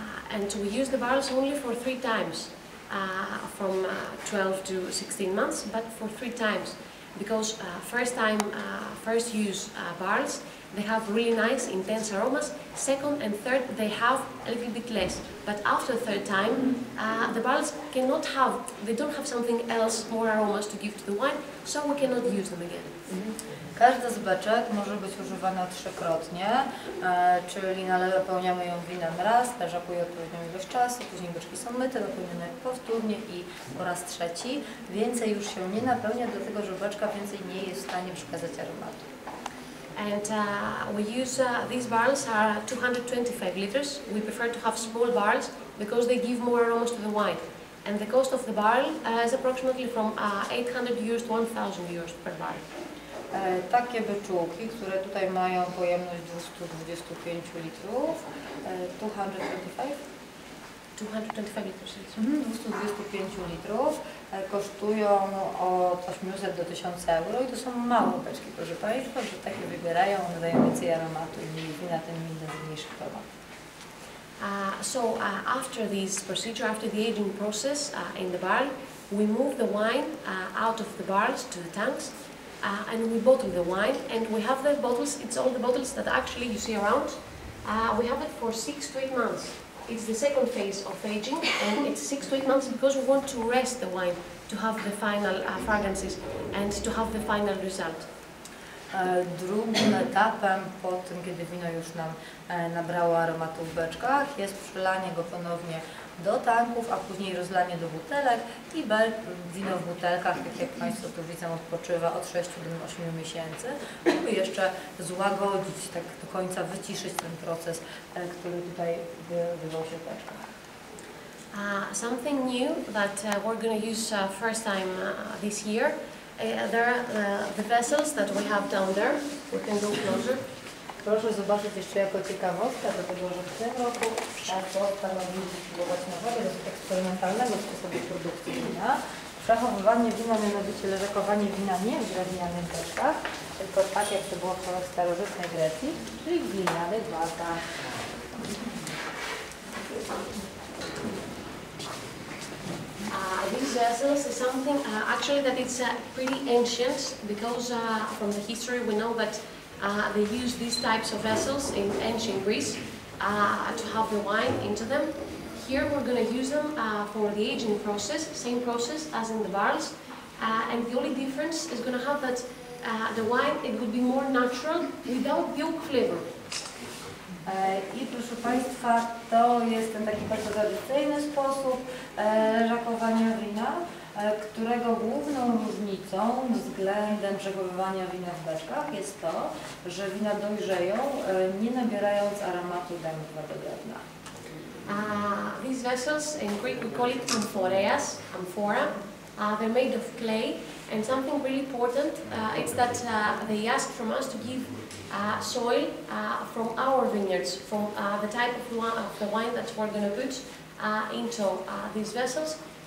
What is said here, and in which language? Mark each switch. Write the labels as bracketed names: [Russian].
[English] And we use the barrels only for 3 times, from 12 to 16 months, but for 3 times, because first use barrels, they have really nice, intense aromas. Second and third, they have a little bit less. But after the third time, the barrels cannot have, they don't have something else, more aromas to give to the wine, so we cannot use them again. Mm-hmm. [Polish] Każda z beczek może być używana trzykrotnie, czyli napełniamy ją winem raz, leżakuje odpowiednią ilość czasu, później beczki są myte, napełnione powtórnie i po raz trzeci. Więcej już się nie napełnia, dlatego że beczka więcej nie jest w stanie przekazać aromatu. [English] And we use these barrels are 225 liters. We prefer to have small barrels because they give more aromas to the wine. And the cost of the barrel is approximately from 800 euros to 1000 euros per barrel. [Polish] Takie beczułki, które tutaj mają pojemność 225 litrów, 225 litrów, kosztują od 800 do 1000 euro i to są małe beczki. Proszę Państwa, że takie wybierają, one dają więcej aromatu i wina tym inne z mniejszych aromat. [English] After this procedure, after the aging process in the barrel, we move the wine out of the barrels to the tanks and we bottle the wine and we have the bottles, it's all the bottles that actually you see around. We have it for 6 to 8 months. It's the second phase of aging, and it's 6 to 8 months because we want to rest the wine to have the final fragrances and to have the final result. [Polish] Drugim etapem po tym, kiedy wino już nam nabrało aromatu w beczkach, jest przelanie go ponownie do tanków, a później rozlanie do butelek i wino w butelkach, tak jak Państwo tu widzą, odpoczywa od 6 do 8 miesięcy, żeby jeszcze złagodzić, tak do końca wyciszyć ten proces, który tutaj wywołał się w beczkach. [English] Something new that we're going to use first time this year. There are the vessels that we have down there. We can go closer. [Polish] Proszę zobaczyć jeszcze jako ciekawostkę, dlatego że w tym roku postanowiliśmy spróbować nowego, dosyć eksperymentalnego sposobu produkcji wina. Przechowywanie wina, mianowicie leżakowanie wina nie w drewnianych beczkach, tylko tak jak to było w starożytnej Grecji, czyli w glinianych wazach. [English] These vessels is something actually that it's pretty ancient because from the history we know that they used these types of vessels in ancient Greece to have the wine into them. Here we're going to use them for the aging process, same process as in the barrels, and the only difference is going to have that the wine it would be more natural without the oak flavor. [Polish] I proszę Państwa, to jest ten taki bardzo tradycyjny sposób rakowania wina, którego główną różnicą względem przechowywania wina w beczkach jest to, że wina dojrzeją, nie nabierając aromatu dębowa do drewna. [English] These vessels, in Greek we call it amphoreas, amphora, they're made of clay, and something really important, it's that they ask from us to give soil from our vineyards, from the type of, of the wine that we're going to put into these vessels.